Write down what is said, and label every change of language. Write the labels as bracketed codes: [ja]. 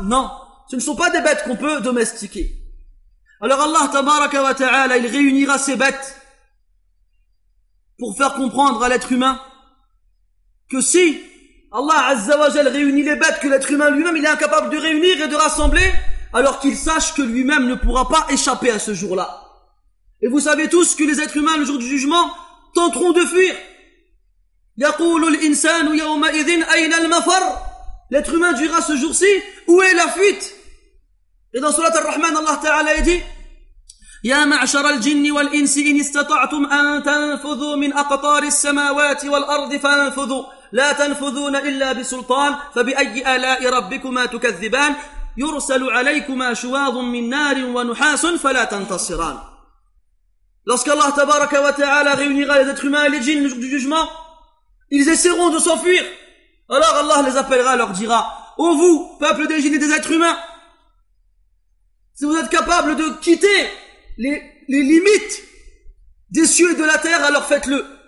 [fr] Non, ce ne sont pas des bêtes qu'on peut domestiquer. Alors Allah tabaraka wa ta'ala, il réunira ces bêtes pour faire comprendre à l'être humain que si Allah Azza wa Jal réunit les bêtes que l'être humain lui-même il est incapable de réunir et de rassembler, alors qu'il sache que lui-même ne pourra pas échapper à ce jour-là. Et vous savez tous que les êtres humains, le jour du jugement, tenteront de fuir. [ar] يَقُولُ الْإِنسَانُ يَوْمَئِذٍ أَيْنَ الْمَفَرُ. [fr] L'être humain dira ce jour-ci, où est la fuite? Et dans Surat Ar-Rahman, Allah Ta'ala dit, [ar] يَا مَعْشَرَ الْجِنِّ وَالْإِنسِ إِنِ اسْتَطَعْتُمْ أَن تَنْفُذُوا مِنْ أَقْطَارِ السَّمَاوَاتِ وَالْأَرْضِ فَانْفُذُوا لَا تَنْفُذُونَ إِلَّا بِسُلْطَانٍ فَبِأَيِّ آلَاءِ رَبِّكُمَا تُكَذِّبَانِ يُرْسَلُ عَلَيْكُمَا شُوَاظٌ مِنْ نَارٍ وَنُحَاسٌ فَلَا تَنْتَصِرَانِ. [fr] Lorsqu'Allah tabaraka wa ta'ala réunira les êtres humains et les djinns le jour du jugement, ils essaieront de s'enfuir. Alors Allah les appellera et leur dira, ô vous, peuple des djinns et des êtres humains, si vous êtes capables de quitter les limites des cieux et de la terre, alors faites-le.